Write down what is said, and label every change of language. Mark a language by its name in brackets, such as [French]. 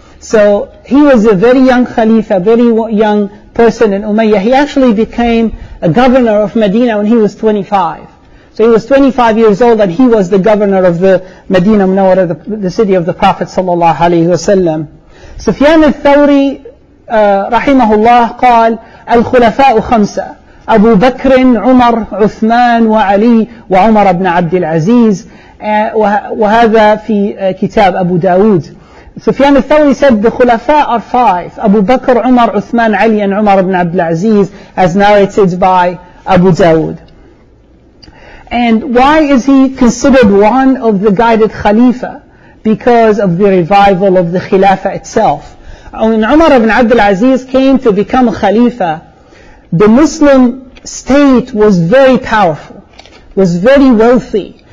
[English] So he was a very young Khalifa, very young person in Umayyah. He actually became a governor of Medina when he was 25. So he was 25 years old and he was the governor of the Medina Munawwara, the city of the Prophet sallallahu alayhi wa sallam. [Arabic] Sufyan al-Thawri, rahimahullah, قال الخلفاء خمسة أبو بكر عمر عثمان وعلي وعمر ابن عبد العزيز وهذا في كتاب أبو داود. [English] Sufyan al-Thawri said the Khulafa are five: Abu Bakr, Umar, Uthman, Ali, and Umar ibn Abd al-Aziz, as narrated by Abu Dawud. And why is he considered one of the guided Khalifa? Because of the revival of the Khilafa itself. When Umar ibn Abd al-Aziz came to become a Khalifa, the Muslim state was very powerful, was very wealthy.